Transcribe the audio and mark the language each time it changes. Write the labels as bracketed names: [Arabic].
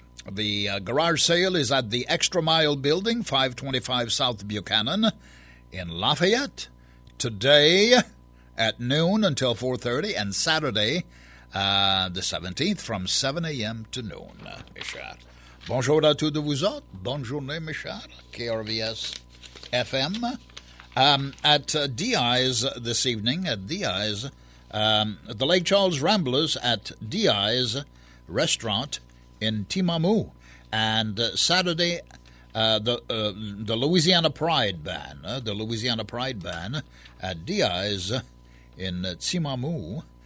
[English] The garage sale is at the Extra Mile Building, 525 South Buchanan, in Lafayette, today at noon until 4:30, and Saturday, the 17th, from 7 a.m. to noon. Michard. [French] Bonjour à tous de vous autres. Bonne journée, Michard. KRVS FM. [English] At DI's this evening, at DI's, the Lake Charles Ramblers at DI's restaurant in Timamu. And Saturday, the Louisiana Pride Band, the Louisiana Pride Band at DI's in Timamu.